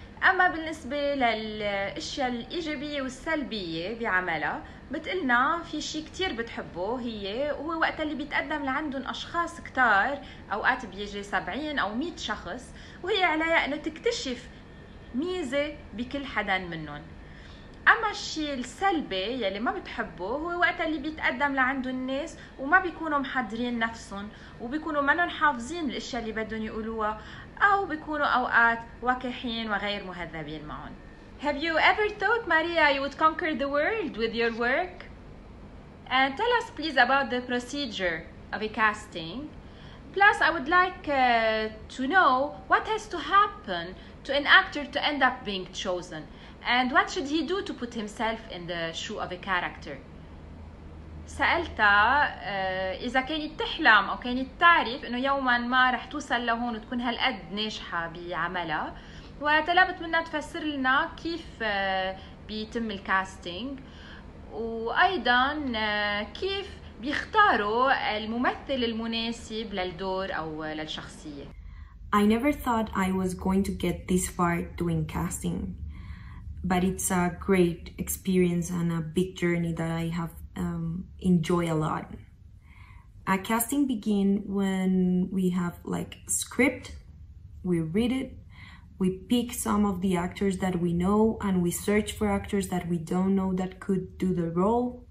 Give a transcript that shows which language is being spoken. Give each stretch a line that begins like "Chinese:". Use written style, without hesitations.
Arabic: أما بالنسبة للأشياء الإيجابية والسلبية بعملها بتقلنا في شيء كتير بتحبه هي، وهو وقت اللي بيتقدم لعندهم أشخاص كتار، أوقات بيجي 70 أو 100 شخص وهي عليها أنه تكتشف ميزة بكل حدا منهم. أما الشيء السلبي يلي ما بتحبه هو وقت اللي بيتقدم لعنده الناس وما بيكونوا محضرين نفسهم وبيكونوا منهم حافظين الأشياء اللي بدهم يقولوها أو بيكونوا أوقات وكحين وغير مهذبين معهم.
English: Have you ever thought, Maria, you would conquer the world with your work? And tell us please about the procedure of a casting. Plus, I would like to know what has to happen to an actor to end up being chosen. And what should he do to put himself in the shoe of a character?
Arabic: سألتها إذا كانت تحلم أو كانت تعرف إنه يوما ما رح توصل لهون وتكون هالقد ناجحة بعملها، وطلبت منها تفسر لنا كيف بيتم الكاستينج، وأيضا كيف بيختاروا الممثل المناسب للدور أو للشخصية.
English: I never thought I was going to get this far doing casting, but it's a great experience and a big journey that I have enjoy a lot. A casting begin when we have like script, we read it, we pick some of the actors that we know, and we search for actors that we don't know that could do the role.